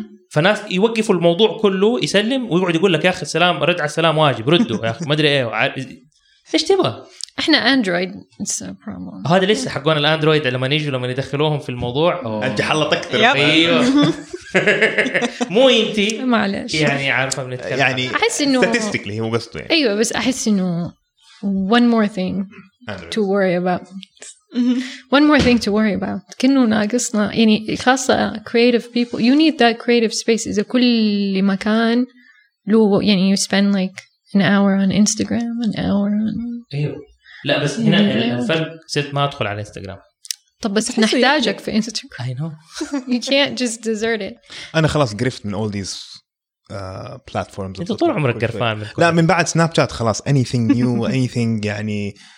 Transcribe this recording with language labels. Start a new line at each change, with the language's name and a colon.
Arabic: فناس يوقفوا الموضوع كله يسلم ويقعد يقول لك يا اخي السلام رد على السلام واجب ردوا يا اخي ما ادري ايه ايش تبغى احنا اندرويد هذا لسه حقون الاندرويد لما يجوا لما يدخلوهم في الموضوع انت حلط اكثر ايوه مو انت معلش يعني عارفه بنتكلم يعني احس انه ستاتستيكلي هو قصده يعني ايوه بس احس انه
English: one more thing to worry about. One more thing to worry about.
Arabic: كنو ناقصنا يعني خاصة
English: creative people. You need that creative space.
Arabic: إذا كل مكان لو يعني
English: you spend like an hour on Instagram, an hour on.
Arabic: لا بس هنا الفرق صرت ما أدخل على Instagram. طب بس نحتاجك في Instagram.
English: I know. You can't just desert it.
Arabic: أنا خلاص قرفت من
English: all these. platforms.
Arabic: أنت طول عمرك قرفان. لا من بعد سناب شات خلاص
English: anything new anything
Arabic: يعني.